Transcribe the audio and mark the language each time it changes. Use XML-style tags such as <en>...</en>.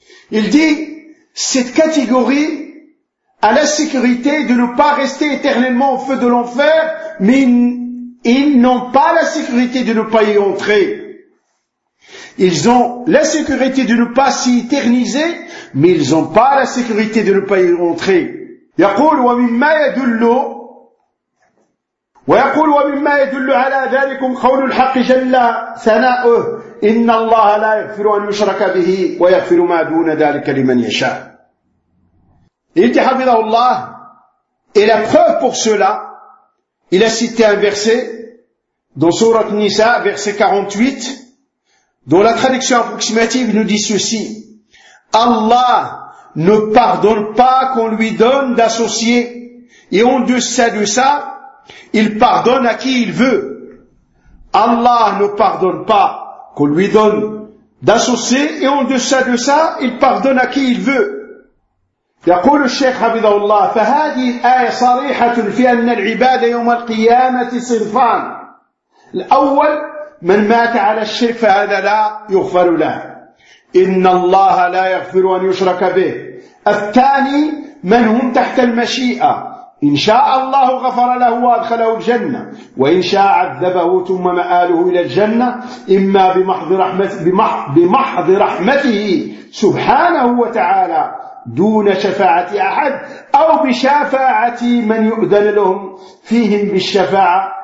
<fr>Il dit, cette catégorie a la sécurité de ne pas rester éternellement au feu de l'enfer, mais ils n'ont pas la sécurité de ne pas y entrer. Ils ont la sécurité de ne pas s'y éterniser, mais ils n'ont pas la sécurité de ne pas y rentrer.</fr> <ar>يقول ومما يدل ويقول ومما يدل على ذلك قول الحق جل ثناؤه إن الله لا يغفر أن يشرك به ويغفر ما دون ذلك لمن يشاء.</ar> <fr>Il dit Habidallah, et la preuve pour cela, il a cité un verset dans Sourate Nisa, verset 48, dont la traduction approximative nous dit ceci: Allah ne pardonne pas qu'on lui donne d'associer, et en deçà de ça, il pardonne à qui il veut. Allah ne pardonne pas qu'on lui donne d'associer, et en deçà de ça, il pardonne à qui il veut.</fr> <ar>يقول الشيخ حفظه الله فهذه الآية صريحة في أن العبادة يوم القيامة صنفان الأول من مات على الشرك فهذا لا يغفر له إن الله لا يغفر أن يشرك به الثاني من هم تحت المشيئة إن شاء الله غفر له وأدخله الجنة وإن شاء عذبه ثم مآله إلى الجنة إما بمحض رحمته سبحانه وتعالى دون شفاعة أحد أو بشفاعة من يؤذن لهم فيهم بالشفاعة</ar>